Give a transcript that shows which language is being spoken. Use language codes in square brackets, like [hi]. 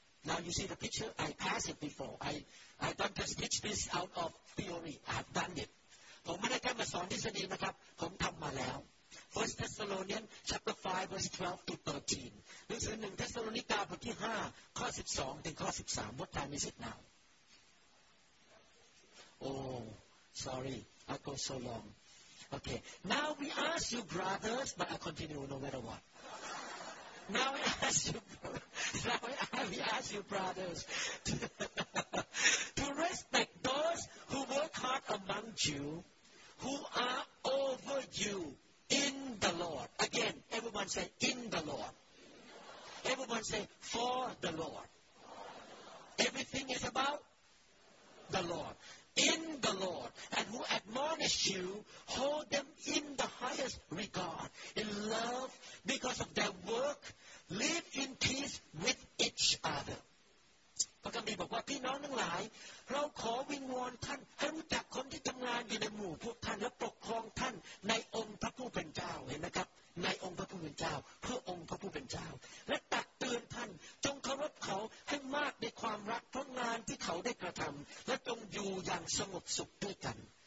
[en] Now you see the picture I passed it before I don't just teach this out of theory I've done it [th] ผมไม่ได้แค่มาสอนทฤษฎีนะครับผมทำมาแล้ว [en] First Thessalonians chapter 5 verse 12 to 13 [th] หนังสือ1 Thessalonica บทที่5ข้อ12ถึงข้อ13 [en] What time is it now Oh sorry I go so longOkay, now we ask you brothers, but I continue no matter what. Now we ask you, brothers, to respect those who work hard among you, who are over you in the Lord. Again, everyone say, in the Lord. Everyone say, for the Lord. Everything is about the Lord. In the Lord, and who admonish you, hold them in the highest regard, in love, because of their work, live in peace with each other. [th] พระคัมภีร์บอกว่าพี่น้องทั้งหลายเราขอวิงวอนท่านให้รู้จักคนที่ทำงานอยู่ในหมู่พวกท่านและปกครองท่านในองค์พระผู้เป็นเจ้าเห็นไหมครับในองค์พระผู้เป็นเจ้าเพื่อองค์พระผู้เป็นเจ้าและตักเตือนท่านจงเคารพเขาให้มากในความรักเพราะงานที่เขาได้กระทำและจงอยู่อย่างสงบสุขด้วยกัน